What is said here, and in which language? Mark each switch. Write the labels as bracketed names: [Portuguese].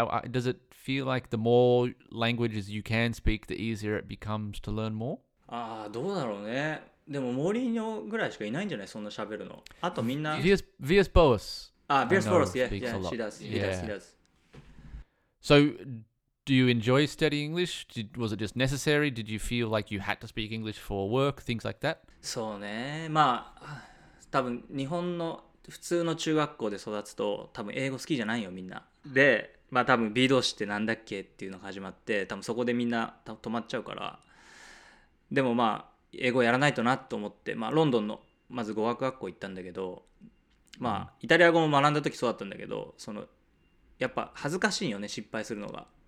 [English] Does it feel like the more languages you can speak, the easier it becomes to learn more? [Japanese] Ah, どうだろうね。でもモリーニョぐらいしかいないんじゃない、そんな喋るの。あとみんな。 [English] Vias Boas. Ah, Vias Boas. Yeah, she does. So. Do you enjoy studying English? Was it just necessary? Did you feel like you had to speak English for work? Things like that? [Japanese] そうね。まあ、多分日本の普通の中学校で育つと、多分英語好きじゃないよみんな。で、まあ多分 B 動詞ってなんだっけっていうのが始まって、多分そこでみんな止まっちゃうから。でもまあ英語やらないとなと思って、まあロンドンのまず語学学校行ったんだけど、まあイタリア語も学んだ時そうだったんだけど、そのやっぱ恥ずかしいよね、失敗するのが。